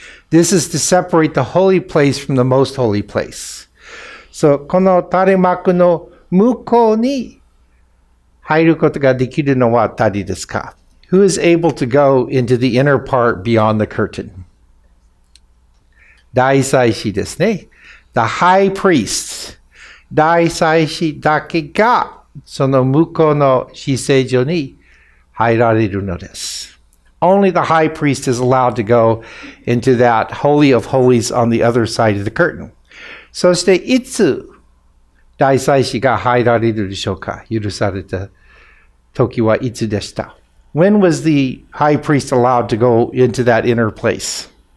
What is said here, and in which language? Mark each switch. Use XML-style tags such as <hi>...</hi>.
<en>This is to separate the holy place from the most holy place.</en> <ja>So, この垂幕の向こうに入ることができるのは誰ですか?</ja> <en>Who is able to go into the inner part beyond the curtain?</en> <ja>大祭司ですね。</ja> <en>The high priest.</en> <ja>大祭司だけがその向こうの至聖所に入られるのです。</ja> <en>Only the high priest is allowed to go into that holy of holies on the other side of the curtain.</en> <ja>そしていつ大祭司が入られるでしょうか? 許された時はいつでした?</ja> <en>When was the high priest allowed to go into that inner place?</en>